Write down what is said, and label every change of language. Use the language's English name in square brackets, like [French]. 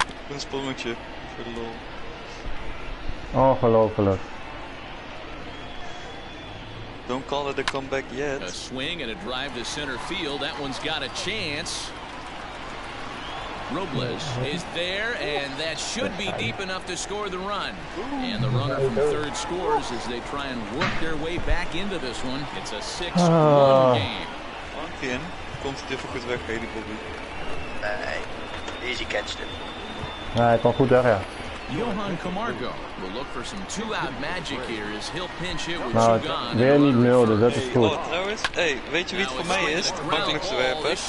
[Dutch] Een sprongetje, voor de lol. Ongelooflijk. [English] Don't call it a comeback yet. A swing and a drive to center field. That one's got a chance. Robles is there, and that should be deep enough to score the run. And the runner from third scores as they try and work their way back into this one. It's a 6-1 game. [Dutch] Again, komt het even goed weg, Haley Bobby. [English] Easy catch, dude. [Dutch] Nee, hij kwam goed weg, ja. [English] Johan Camargo will look for some two-out magic here as he'll pinch it with Sugan. [Dutch] Nou, weer niet nul, dus dat is goed. Hey, trouwens, hey, weet je wie het voor mij is? Het makkelijkste werpen.